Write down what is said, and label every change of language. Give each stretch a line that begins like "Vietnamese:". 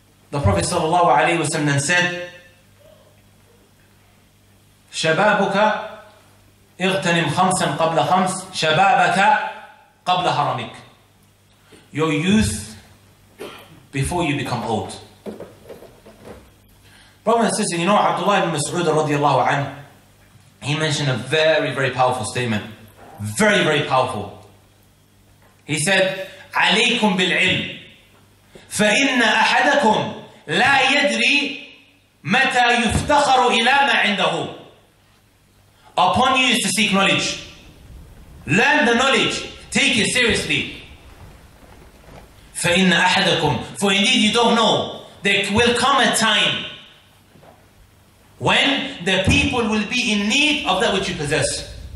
English: The Prophet sallallahu alayhi wa sallam said, شبابك اغتنم خمسا قبل خمس شبابك قبل هرمك. Your youth before you become old. Brother and sister, you know Abdullah ibn Mas'ud radiallahu anhu, he mentioned a very, very powerful statement. Very, very powerful.
Arabic: He said, عليكم بالعلم فإن أحدكم لا يدري متى يفتخر إلى ما عنده.
English: Upon you is to seek knowledge. Learn the knowledge. Take it seriously. فإن أحدكم. For indeed you don't know. There will come a time when the people will be in need of that which you possess.